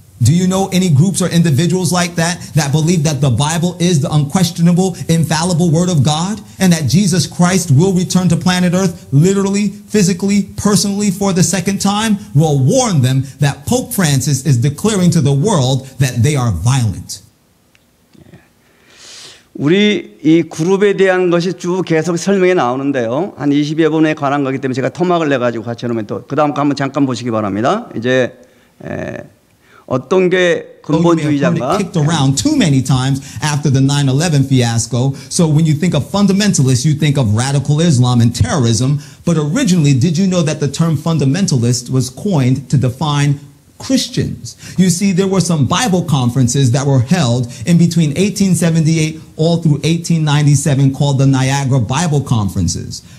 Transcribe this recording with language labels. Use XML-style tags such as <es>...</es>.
<en>Do you know any groups or individuals like that, that believe that the Bible is the unquestionable, infallible word of God, and that Jesus Christ will return to planet Earth, literally, physically, personally, for the second time? We'll warn them that Pope Francis is declaring to the world that they are violent.</en> <ko>우리 이 그룹에 대한 것이 쭉 계속 설명이 나오는데요. 한 20여 분에 관한 거기 때문에 제가 토막을 내가지고 같이 해놓으면 또 그 다음 거 한번 잠깐 보시기 바랍니다. 이제 어떤 게 근본주의자인가?</ko> <en>Kicked around too many times after the 9/11 fiasco. So when you think of fundamentalists, you think of radical Islam and terrorism. But originally, did you know that the term fundamentalist was coined to define Christians. You see, there were some Bible conferences that were held in between 1878 all through 1897 called the Niagara Bible Conferences.</en>